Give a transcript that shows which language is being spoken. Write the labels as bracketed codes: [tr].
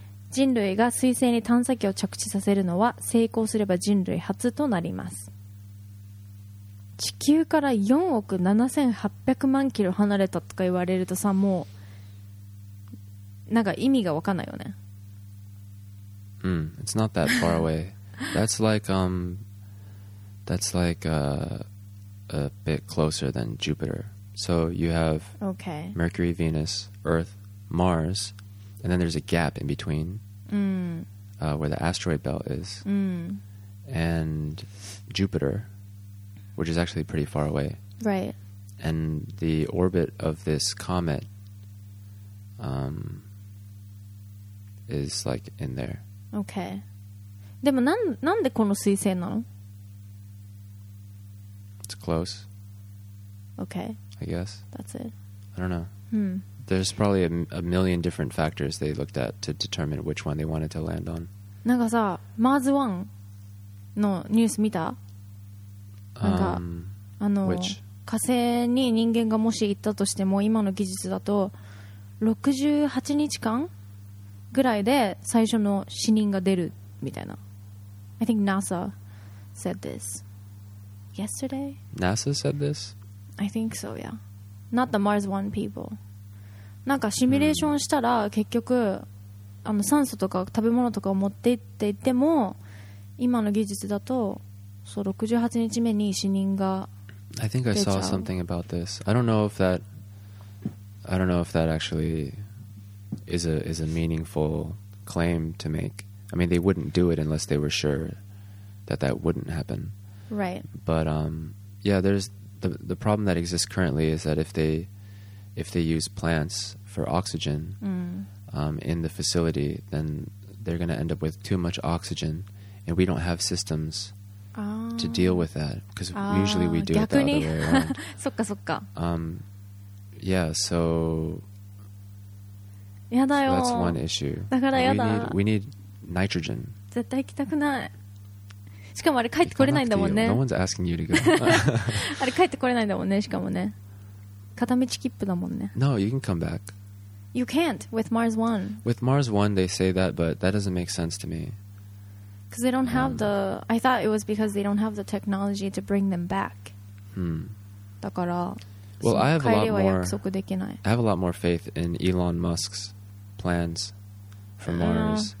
[ja] 人類が水星に探査機を着地させるのは成功すれば人類初となります。地球から4億7800万キロ離れたとか言われるとさ、もうなんか意味が分かんないよね。 [en] うん、It's not that far away. That's like That's like a bit closer than Jupiter. So you have okay. Mercury, Venus, Earth, Mars, and then there's a gap in between where the asteroid belt is and Jupiter, which is actually pretty far away. Right. And the orbit of this comet is like in there. Okay. [ja] でもなんでこの彗星なの? [en] It's close. Okay. I guess. That's it. I don't know. Hmm. There's probably a million different factors they looked at to determine which one they wanted to land on. [ja] なんかさ、Mars One のニュース見た? なんか、あの、 [en] which? [ja] 火星に人間がもし行ったとしても、今の技術だと、68日間ぐらいで最初の死人が出るみたいな。 [en] I think NASA said this. Yesterday? NASA said this? I think so, yeah. not the Mars One people. [ja] なんかシミュレーションしたら結局あの酸素とか食べ物とかを持っていっていても今の技術だとそう68日目に死人が出ちゃう。 [en] I think I saw something about this. I don't know if that actually is a meaningful claim to make. I mean, they wouldn't do it unless they were sure that that wouldn't happen. Right. But yeah, there's the problem that exists currently is that if they use plants for oxygen in the facility, then they're going to end up with too much oxygen, and we don't have systems to deal with that because usually we do it the other way around. [ja] そっかそっか。 [en] Yeah, so, [ja] やだよ。 [en] So that's one issue. [ja] だからやだ。 [en] We need nitrogen. [ja] 絶対行きたくない。しかもあれ帰ってこれないんだもんね。 [en] No one's asking you to go. [ja] あれ帰ってこれないんだもんね。しかもね、片道切符だもんね。 [en] No, you can come back. You can't with Mars One. With Mars One, they say that, but that doesn't make sense to me. Because they don't have the. I thought it was because they don't have the technology to bring them back. [ja] だから。 [en] Well, I have a lot more faith in Elon Musk's plans for Mars.